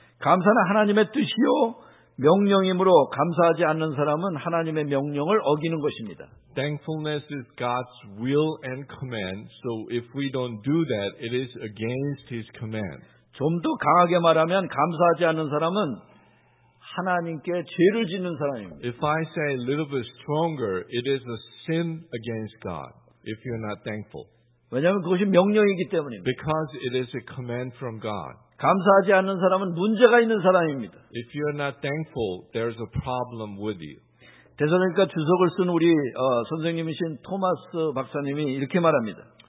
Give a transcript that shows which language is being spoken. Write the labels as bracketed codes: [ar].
[ko] 감사는 하나님의 뜻이요. 명령이므로 감사하지 않는 사람은 하나님의 명령을 어기는 것입니다. [en] Thankfulness is God's will and command. So if we don't do that, it is against His command. [ko] 좀 더 강하게 말하면 감사하지 않는 사람은 하나님께 죄를 짓는 사람입니다. [en] If I say a little bit stronger, it is a sin against God if you're not thankful. [ko] 왜냐하면 그것이 명령이기 때문입니다. [en] Because it is a command from God. [ko] 감사하지 않는 사람은 문제가 있는 사람입니다. [en] If you are not thankful, there's a problem with you. [ko] 대사님과 주석을 쓴 우리 선생님이신 토마스 박사님이 이렇게 말합니다.